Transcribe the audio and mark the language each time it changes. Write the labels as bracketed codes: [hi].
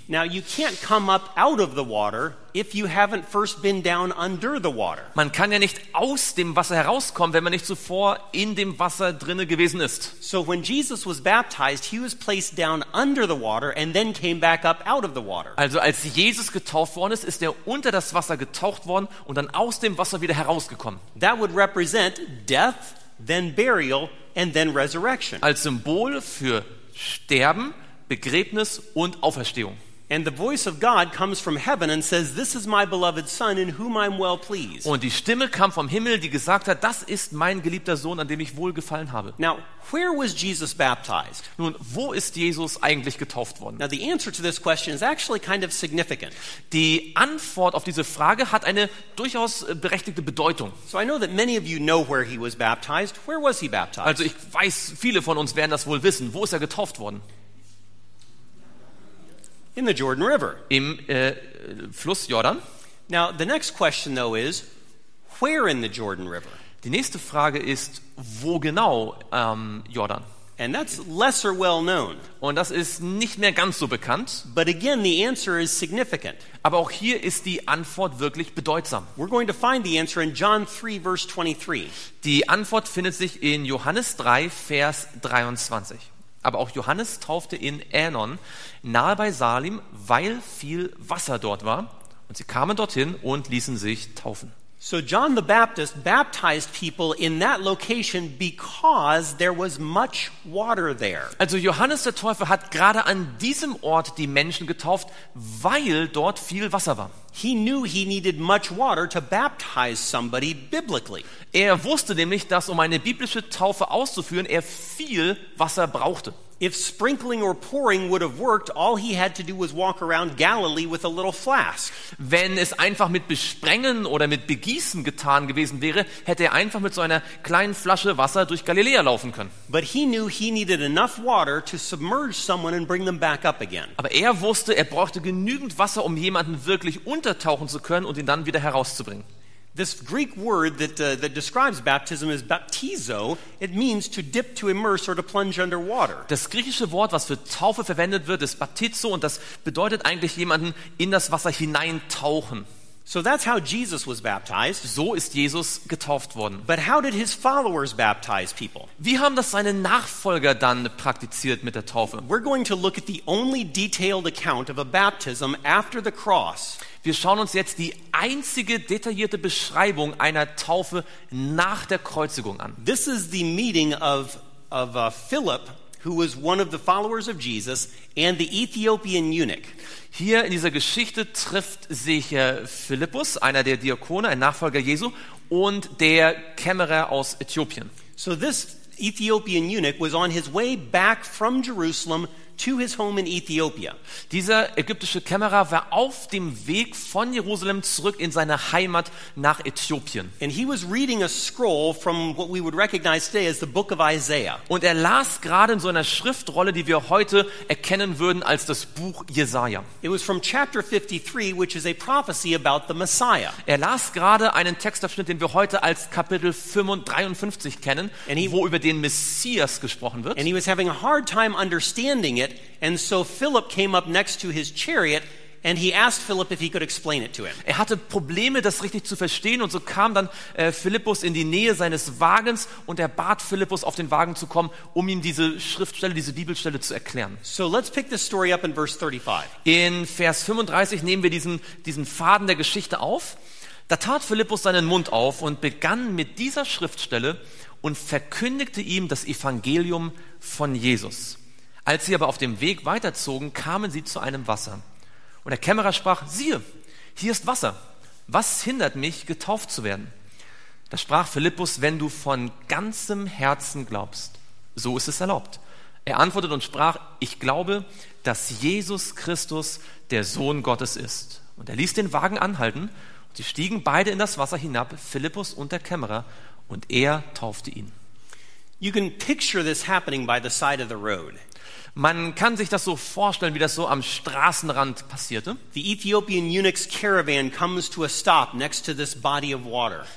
[en] Now you can't come up out of the water if you haven't first been down under the water. [de] Man kann ja nicht aus dem Wasser herauskommen, wenn man nicht zuvor in dem Wasser drinne gewesen ist. [en] So when Jesus was baptized, he was placed down under the water and then came back up out of the water. [de] Also als Jesus getauft worden ist, ist er unter das Wasser getaucht worden und dann aus dem Wasser wieder herausgekommen. [en] That would represent death, then burial and then resurrection. [de] Als Symbol für Sterben, Begräbnis und Auferstehung. [en] And the voice of God comes from heaven and says, "This is my beloved Son, in whom I'm well pleased." [de] Und die Stimme kam vom Himmel, die gesagt hat, das ist mein geliebter Sohn, an dem ich wohlgefallen habe. [en] Now, where was Jesus baptized? [de] Nun, wo ist Jesus eigentlich getauft worden? [en] Now, the answer to this question is actually kind of significant. [de] Die Antwort auf diese Frage hat eine durchaus berechtigte Bedeutung. [en] So, I know that many of you know where he was baptized. Where was he baptized? [de] Also, ich weiß, viele von uns werden das wohl wissen. Wo ist er getauft worden? [en] In the Jordan River. [de] Im Fluss Jordan. [en] Now the next question though is, where in the Jordan River? [de] Die nächste Frage ist, wo genau Jordan? [en] And that's lesser well known. [de] Und das ist nicht mehr ganz so bekannt. [en] But again, the answer is significant. [de] Aber auch hier ist die Antwort wirklich bedeutsam. [en] We're going to find the answer in John 3, verse 23. [de] Die Antwort findet sich in Johannes 3, Vers 23. Aber auch Johannes taufte in Änon, nahe bei Salim, weil viel Wasser dort war. Und sie kamen dorthin und ließen sich taufen. [en] So John the Baptist baptized people in that location because there was much water there. [de] Also Johannes der Täufer hat gerade an diesem Ort die Menschen getauft, weil dort viel Wasser war. [en] He knew he needed much water to baptize somebody biblically. [de] Er wusste nämlich, dass um eine biblische Taufe auszuführen, er viel Wasser brauchte. [en] If sprinkling or pouring would have worked, all he had to do was walk around Galilee with a little flask. [de] Wenn es einfach mit Besprengen oder mit Begießen getan gewesen wäre, hätte er einfach mit so einer kleinen Flasche Wasser durch Galiläa laufen können. [en] But he knew he needed enough water to submerge someone and bring them back up again. [de] Aber er wusste, er brauchte genügend Wasser, um jemanden wirklich untertauchen zu können und ihn dann wieder herauszubringen. [en] This Greek word that describes baptism is baptizo. It means to dip, to immerse, or to plunge under water. [de] Das griechische Wort, was für Taufe verwendet wird, ist baptizo, und das bedeutet eigentlich jemanden in das Wasser hineintauchen. [en] So that's how Jesus was baptized. [de] So ist Jesus getauft worden. [en] But how did his followers baptize people? [de] Wie haben das seine Nachfolger dann praktiziert mit der Taufe? [en] We're going to look at the only detailed account of a baptism after the cross. [de] Wir schauen uns jetzt die einzige detaillierte Beschreibung einer Taufe nach der Kreuzigung an. [en] This is the meeting of Philip, who was one of the followers of Jesus, and the Ethiopian eunuch. [de] Hier in dieser Geschichte trifft sich Philippus, einer der Diakone, ein Nachfolger Jesu, und der Kämmerer aus Äthiopien. [en] So this Ethiopian eunuch was on his way back from Jerusalem to his home in Ethiopia. [de] Dieser ägyptische Kämmerer war auf dem Weg von Jerusalem zurück in seine Heimat nach Äthiopien. [en] And he was reading a scroll from what we would recognize today as the book of Isaiah. [de] Und er las gerade in so einer Schriftrolle, die wir heute erkennen würden als das Buch Jesaja. [en] It was from chapter 53, which is a prophecy about the Messiah. [de] Er las gerade einen Textabschnitt, den wir heute als Kapitel 53 kennen, wo über den Messias gesprochen wird. [en] And he was having a hard time understanding it, and so Philip came up next to his chariot and he asked Philip if he could explain it to him. [de] Er hatte Probleme, das richtig zu verstehen, und so kam dann Philippus in die Nähe seines Wagens und er bat Philippus, auf den Wagen zu kommen, um ihm diese Schriftstelle, diese Bibelstelle zu erklären. [en] So let's pick this story up in verse 35. [de] In Vers 35 nehmen wir diesen Faden der Geschichte auf. Da tat Philippus seinen Mund auf und begann mit dieser Schriftstelle und verkündigte ihm das Evangelium von Jesus. Als sie aber auf dem Weg weiterzogen, kamen sie zu einem Wasser. Und der Kämmerer sprach: Siehe, hier ist Wasser. Was hindert mich, getauft zu werden? Da sprach Philippus: Wenn du von ganzem Herzen glaubst, so ist es erlaubt. Er antwortete und sprach: Ich glaube, dass Jesus Christus der Sohn Gottes ist. Und er ließ den Wagen anhalten. Und sie stiegen beide in das Wasser hinab, Philippus und der Kämmerer, und er taufte ihn. [en] You can picture this happening by the side of the road. [de] Man kann sich das so vorstellen, wie das so am Straßenrand passierte. [en] The Ethiopian eunuch's caravan comes to a stop next to this body of water.